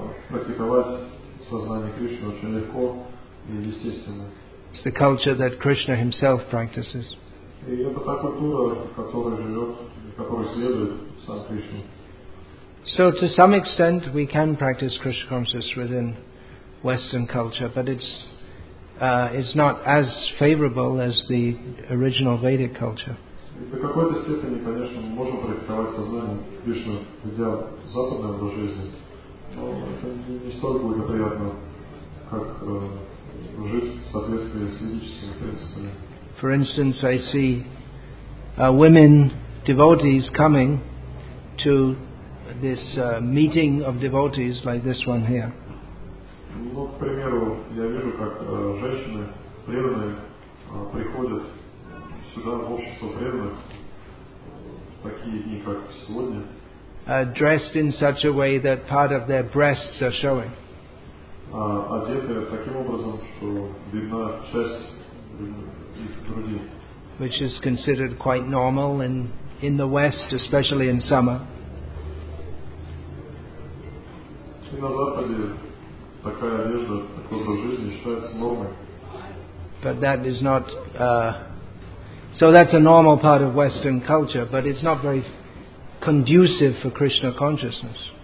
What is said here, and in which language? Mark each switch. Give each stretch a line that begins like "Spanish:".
Russian: Практиковать сознание Кришны очень легко и естественно.
English: It's the culture that Krishna himself practices.
Russian: И это та культура, которая живет, которая следует сам Кришна.
English: So to some extent we can practice Krishna consciousness within Western culture, but it's not as favorable as the original Vedic culture.
Russian: И до какой-то степени, конечно, мы можем практиковать сознание Кришны в идеале западного образа жизни. Это не столь благоприятно, как жить в соответствии с ведическими принципами.
English: For instance, I see women devotees coming to this meeting of devotees like this one here.
Russian: Ну, к примеру, я вижу, как женщины преданные приходят сюда в общество преданных в такие дни, как сегодня.
English: Dressed in such a way that part of their breasts are showing.
Russian: Одеты таким образом, что видна часть их груди.
English: Which is considered quite normal in the West, especially in summer.
Russian: И на Западе такая одежда, такой образ жизни считается нормой.
English: But that is not... So that's a normal part of Western culture, but it's not very... conducive for Krishna consciousness.